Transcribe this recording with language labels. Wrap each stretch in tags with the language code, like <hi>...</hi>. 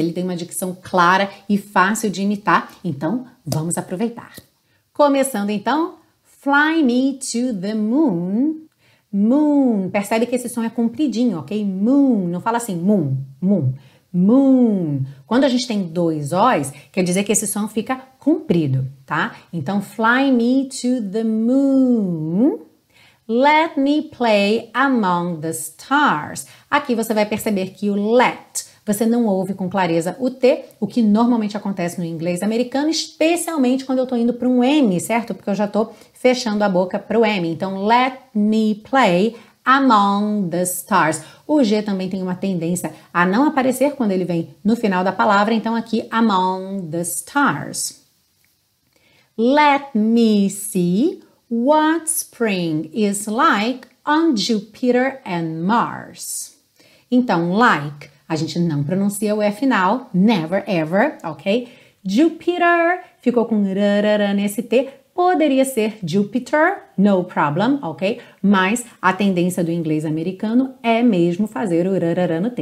<pt>Ele tem uma dicção clara e fácil de imitar, então vamos aproveitar. Começando então,</pt> <en>fly me to the moon, moon,</en> <pt>percebe que esse som é compridinho, ok? Moon, não fala assim, moon, moon, moon. Quando a gente tem dois O's, quer dizer que esse som fica comprido, tá?</pt> <en>Então, fly me to the moon, let me play among the stars.</en> <pt>Aqui você vai perceber que o let, você não ouve com clareza o T, o que normalmente acontece no inglês americano, especialmente quando eu estou indo para um M, certo? Porque eu já estou fechando a boca para o M.</pt> <en>Então, let me play among the stars.</en> <pt>O G também tem uma tendência a não aparecer quando ele vem no final da palavra. Então, aqui,</pt> <en>among the stars. Let me see what spring is like on Jupiter and Mars.</en> <pt>Então, like, a gente não pronuncia o E final, never, ever, ok? Jupiter, ficou com rarara nesse T, poderia ser Jupiter,</pt> <en>no problem,</en> <pt>ok? Mas a tendência do inglês americano é mesmo fazer o rarara no T.</pt>